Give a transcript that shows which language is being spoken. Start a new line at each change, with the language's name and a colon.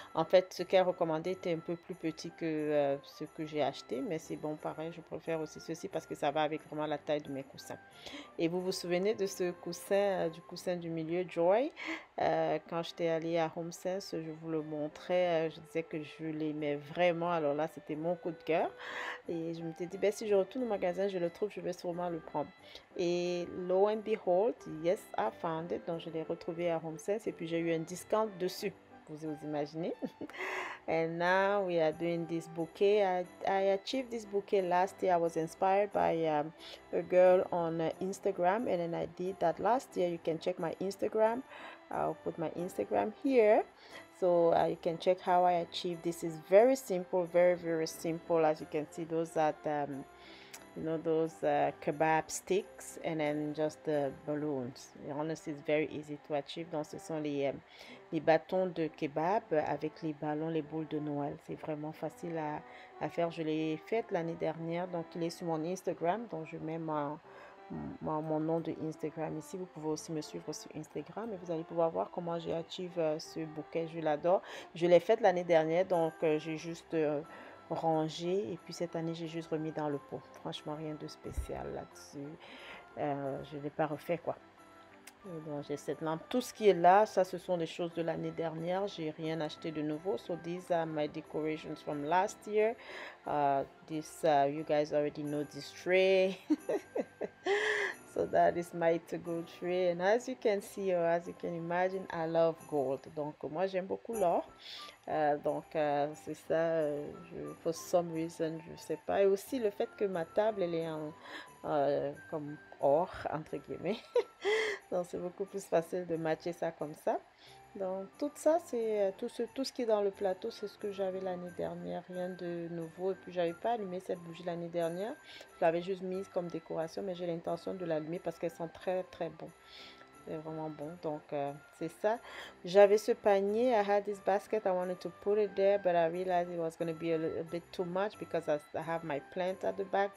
French: En fait, ce qu'elle recommandait était un peu plus petit que ce que j'ai acheté, mais c'est bon, pareil, je préfère aussi ceci parce que ça va avec vraiment la taille de mes coussins. Et vous vous souvenez de ce coussin, du coussin du milieu, Joy, quand j'étais allée à HomeSense, je vous le montrais, je disais que je l'aimais vraiment, alors là, c'était mon coup de cœur. Et je m'étais dit, ben, si je retourne au magasin, je le trouve, je vais sûrement le prendre.
English: Et lo and behold, yes, I found it.
French: Donc, je l'ai retrouvé à HomeSense et puis j'ai eu un discount dessus. Vous imaginez?
English: And now we are doing this bouquet. I achieved this bouquet last year. I was inspired by a girl on Instagram. And then I did that last year. You can check my Instagram. I'll put my Instagram here. So you can check how I achieved. This is very simple, very, very simple. As you can see, those are those kebab sticks and then just the balloons. And honestly, it's very easy to achieve.
French: Donc, ce sont les bâtons de kebab avec les ballons, les boules de Noël. C'est vraiment facile à faire. Je l'ai fait l'année dernière. Donc, il est sur mon Instagram. Donc, je mets mon nom de Instagram ici. Vous pouvez aussi me suivre sur Instagram et vous allez pouvoir voir comment j'ai achieve ce bouquet. Je l'adore. Je l'ai fait l'année dernière. Donc, j'ai juste rangé et puis cette année j'ai juste remis dans le pot. Franchement rien de spécial là-dessus, je n'ai pas refait quoi. Donc j'ai cette lampe, tout ce qui est là, ça ce sont des choses de l'année dernière, j'ai rien acheté de nouveau.
English: So these are my decorations from last year. You guys already know this tray. So that is my to-go tree. And as you can see, or as you can imagine, I love gold.
French: Donc, moi, j'aime beaucoup l'or. C'est ça.
English: For some reason,
French: je ne sais pas. Et aussi, le fait que ma table, elle est comme or, entre guillemets. Donc, c'est beaucoup plus facile de matcher ça comme ça. Donc, tout ça, c'est tout ce qui est dans le plateau, c'est ce que j'avais l'année dernière, rien de nouveau. Et puis, je n'avais pas allumé cette bougie l'année dernière. Je l'avais juste mise comme décoration, mais j'ai l'intention de l'allumer parce qu'elles sont très, très bonnes. C'est vraiment bon. Donc, c'est ça. J'avais ce panier,
English: I had this basket, I wanted to put it there, but I realized it was going to be a bit too much because I have my plant at the back.